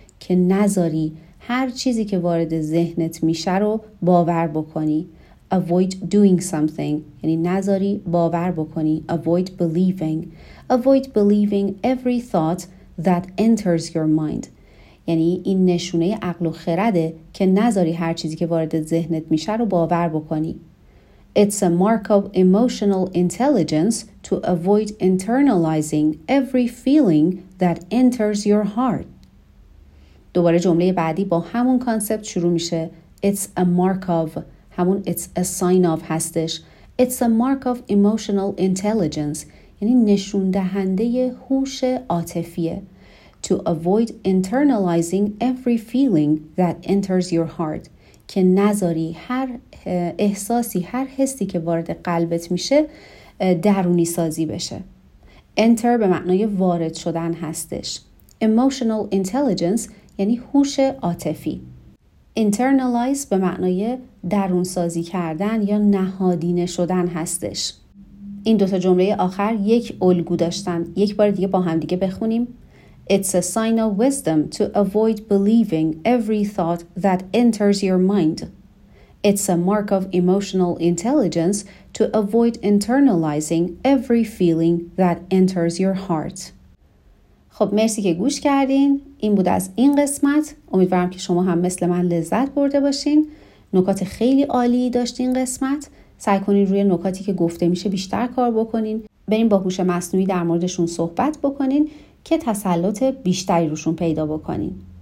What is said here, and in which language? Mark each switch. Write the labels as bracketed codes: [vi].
[fa] که نذاری هر چیزی که وارد ذهنت میشه رو باور بکنی. [en] Avoid doing something. [fa] یعنی نذاری باور بکنی. [en] Avoid believing. Avoid believing every thought that enters your mind. [fa] یعنی این نشونه عقل و خرده که نذاری هر چیزی که وارد ذهنت میشه رو باور بکنی. [en] It's a mark of emotional intelligence to avoid internalizing every feeling that enters your heart. [fa] دوباره جمله بعدی با همون کانسپت شروع میشه. [en] It's a mark of. همون it's a sign of هستش. It's a mark of emotional intelligence. [fa] یعنی نشون دهنده هوش عاطفیه. [en] To avoid internalizing every feeling that enters your heart. [fa] که نذاری هر احساسی، هر حسی که وارد قلبت میشه درونی سازی بشه. Enter به معنای وارد شدن هستش. Emotional intelligence یعنی هوش عاطفی. Internalize به معنای درون سازی کردن یا نهادینه شدن هستش. این دوتا جمله آخر یک الگو داشتن. یک بار دیگه با هم دیگه بخونیم. [en] It's a sign of wisdom to avoid believing every thought that enters your mind. It's a mark of emotional intelligence to avoid internalizing every feeling that enters your heart. [fa] خب مرسی که گوش کردین. این بود از این قسمت. امیدوارم که شما هم مثل من لذت برده باشین. نکات خیلی عالی داشت این قسمت. سعی کنین روی نکاتی که گفته میشه بیشتر کار بکنین. بریم با هوش مصنوعی در موردشون صحبت بکنین که تسلط بیشتری روشون پیدا بکنین.